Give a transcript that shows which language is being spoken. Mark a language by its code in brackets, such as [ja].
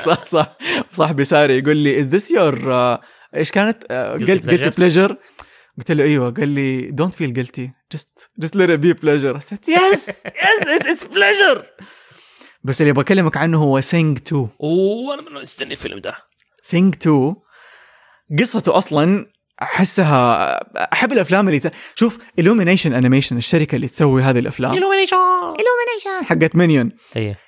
[ar] صح صاحبي ساري يقول لي [en] is this your [ar] ايش كانت قلت بليجر، قلت له ايوه، قال لي [en] don't feel guilty just let it be pleasure. I said yes yes it's pleasure. [ar] بس اللي بكلمك عنه هو sing to. اوه انا منو استني الفيلم ده. sing to قصته اصلا احسها احب الافلام اللي شوف illumination animation الشركه اللي تسوي هذه الافلام illumination حقت مينيون. ايه